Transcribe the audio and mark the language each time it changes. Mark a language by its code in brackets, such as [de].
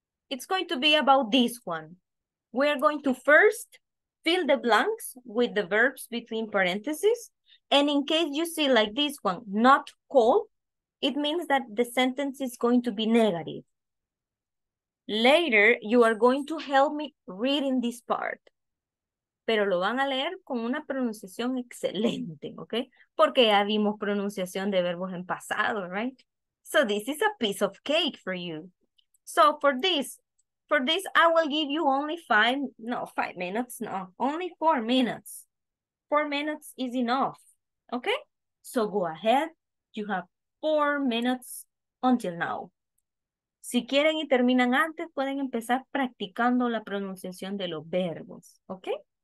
[en] it's going to be about this one. We are going to first fill the blanks with the verbs between parentheses. And in case you see like this one, not call, it means that the sentence is going to be negative. Later, you are going to help me reading this part. [es] Pero lo van a leer con una pronunciación excelente, okay? Porque ya vimos pronunciación de verbos en pasado, right? [en] So this is a piece of cake for you. So for this, I will give you only four minutes. 4 minutes is enough, okay? So go ahead, you have 4 minutes until now. [es] Si quieren y terminan antes, pueden empezar practicando la pronunciación de los verbos, okay?